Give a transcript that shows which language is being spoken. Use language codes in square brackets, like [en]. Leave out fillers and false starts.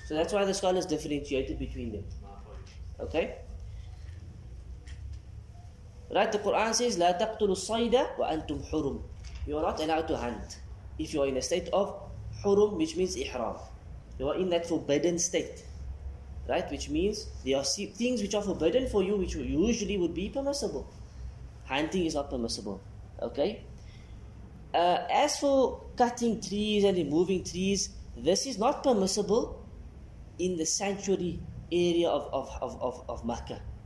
[en] So that's why the scholars differentiated between them. Okay? Right, the Quran says, [ar] لا تقتلوا الصيد وأنتم حرم. [en] You are not allowed to hunt if you are in a state of حرم, which means ihram. You are in that forbidden state. Right? Which means there are things which are forbidden for you which usually would be permissible. Hunting is not permissible. Okay? As for cutting trees and removing trees, this is not permissible in the sanctuary area of Makkah.